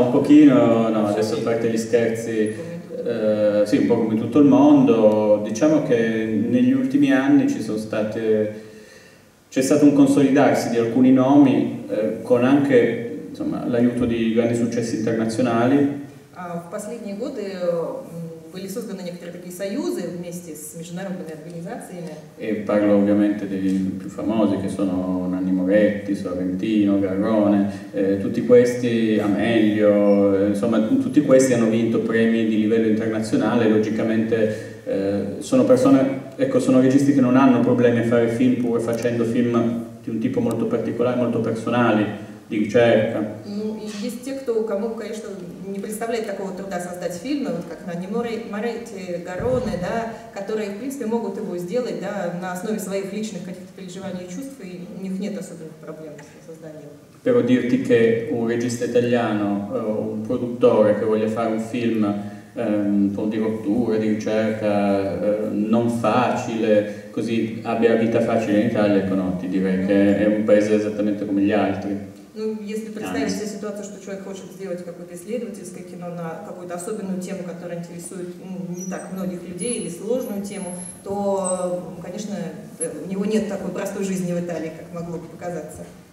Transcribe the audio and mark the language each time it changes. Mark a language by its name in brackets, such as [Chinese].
[Italian] un pochino, no, adesso a parte gli scherzi, sì, un po' come tutto il mondo, diciamo che negli ultimi anni ci sono state, c'è stato un consolidarsi di alcuni nomi con anche insomma, l'aiuto di grandi successi internazionali. [Russian] Последние годы были созданы некоторые такие союзы вместе с международными организациями. [Italian] И parlo ovviamente dei più famosi che sono Nanni Moretti, Sorrentino, Garrone, tutti questi Amelio, insomma tutti questi hanno vinto premi di livello internazionale, logicamente sono persone, ecco, sono registi che non hanno problemi a fare film pur facendo film di un tipo molto particolare, molto personali, di ricerca. [Russian] Есть те, кто, кому, конечно, не представляет такого труда создать фильмы, вот как Нанни Моретти, Гароне, да, которые, в принципе, могут его сделать, да, на основе своих личных каких-то переживаний и чувств, и у них нет особенных проблем с созданием. [Italian] Però dirti che un regista italiano, un produttore che voglia fare un film di rottura, di ricerca, non facile, così abbia vita facile in Italia, ecco, no, ti direi che è un paese esattamente come gli altri. [Russian] Ну, если представить себе ситуацию, что человек хочет сделать какое-то исследовательское кино на какую-то особенную тему, которая интересует не так многих людей, или сложную тему, то, конечно, у него нет такой простой жизни в Италии, как могло бы показаться.